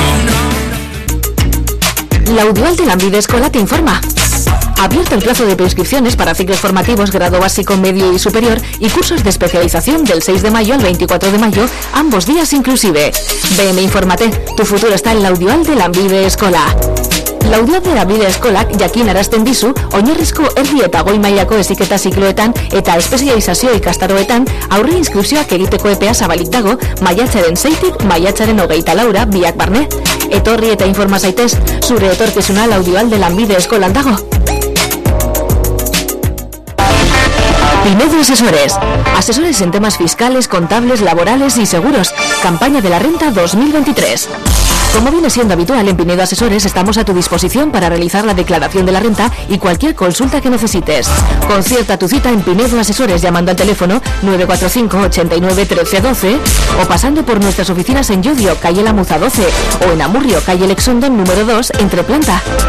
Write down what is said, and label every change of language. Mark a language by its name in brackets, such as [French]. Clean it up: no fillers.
[Spanish] 945-399405. La UDUAL de Lambide Escola te informa. Abierto el plazo de prescripciones para ciclos formativos grado básico, medio y superior y cursos de especialización del 6 de mayo al 24 de mayo, ambos días inclusive. Ven e infórmate, tu futuro está en la UDUAL de Lambide Escola. [Basque] La UDUAL de Lanbide Eskolak jakin arazten dizu, oinarrizko erdi eta goi mailako heziketa zikloetan eta espezializazio ikastaroetan aurre inskripzioak egiteko epea zabalik dago maiatzaren 6-tik maiatzaren 24-ra biak barne. Etorri eta informa zaitez, zure etorkizuna la UDUAL de Lanbide Eskolan dago. [Spanish] Pinedo Asesores. Asesores en temas fiscales, contables, laborales y seguros. Campaña de la renta 2023. Como viene siendo habitual en Pinedo Asesores, estamos a tu disposición para realizar la declaración de la renta y cualquier consulta que necesites. Concierta tu cita en Pinedo Asesores llamando al teléfono 945 89 13 12 o pasando por nuestras oficinas en Llodio, calle La Muza 12 o en Amurrio, calle Lexondo número 2, entre planta.